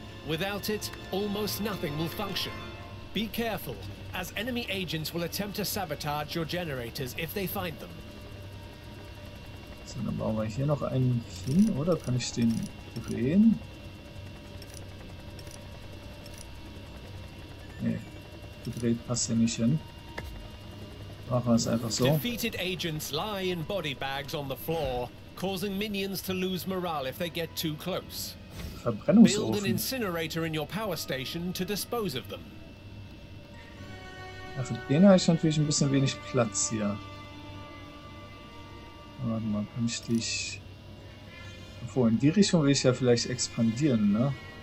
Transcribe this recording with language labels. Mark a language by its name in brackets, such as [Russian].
[English] Without it, almost nothing will function. Be careful, as enemy agents will attempt to sabotage your generators if they find them. [German] So, dann bauen wir hier noch einen hin, oder kann ich den drehen? Nee, gedreht passt ja nicht hin. Machen wir es einfach so. [English] Defeated agents lie in body bags on the floor, causing minions to lose morale if they get too close. Verbrennungsofen. Build an incinerator in your power station to dispose of them. [German] Ja, für den habe ich natürlich ein bisschen wenig Platz hier. Warte mal, kann ich dich... Obwohl, in die Richtung will ich ja vielleicht expandieren, ne?